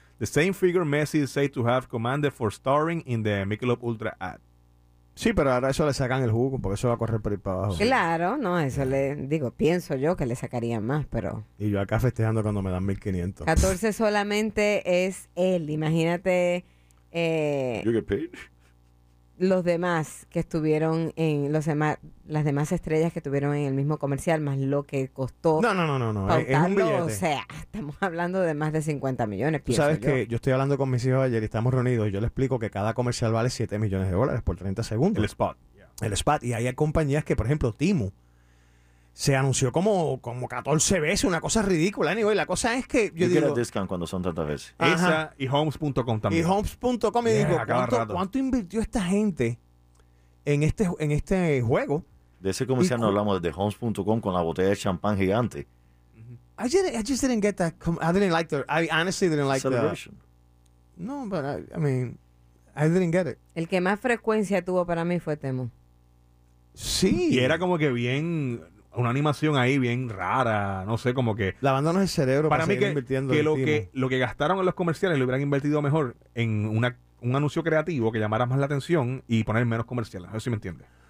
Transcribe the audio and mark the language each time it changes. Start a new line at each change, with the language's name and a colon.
English: The same figure Messi is said to have commanded for starring in the Michelob Ultra ad.
Spanish: Sí, pero ahora eso le sacan el jugo, porque eso va a correr por ahí para abajo. Claro, no, eso le... Digo, pienso yo que le sacarían más, pero... Y yo acá festejando cuando me dan 1,500. 14 solamente es él. Imagínate...
English: You get paid.
Spanish: Los demás que estuvieron en... los demás, las demás estrellas que estuvieron en el mismo comercial, más lo que costó... No. Es un billete. O sea, estamos hablando de más de 50 millones, pienso. ¿Sabes yo? Que yo estoy hablando con mis hijos ayer y estamos reunidos y yo les explico que cada comercial vale 7 millones de dólares por 30 segundos. El spot. Yeah. El spot. Y hay compañías que, por ejemplo, Timu, se anunció como 14 veces, una cosa ridícula. Anyway, la cosa es que yo digo... ¿Y discount cuando son tantas veces? Ajá. Esa y Homes.com también. Y Homes.com. Y yeah, digo, ¿cuánto invirtió esta gente en este juego? De ese comercial no hablamos, de Homes.com con la botella de champán gigante.
English: I just didn't get that. I honestly didn't like celebration. No, but I mean, I didn't get it.
Spanish: El que más frecuencia tuvo para mí fue Temu. Sí. Y era como que bien... una animación ahí bien rara, no sé, como que... lavándonos el cerebro para seguir invirtiendo. Para mí que lo que gastaron en los comerciales lo hubieran invertido mejor en un anuncio creativo que llamara más la atención y poner menos comerciales, a ver si me entiendes.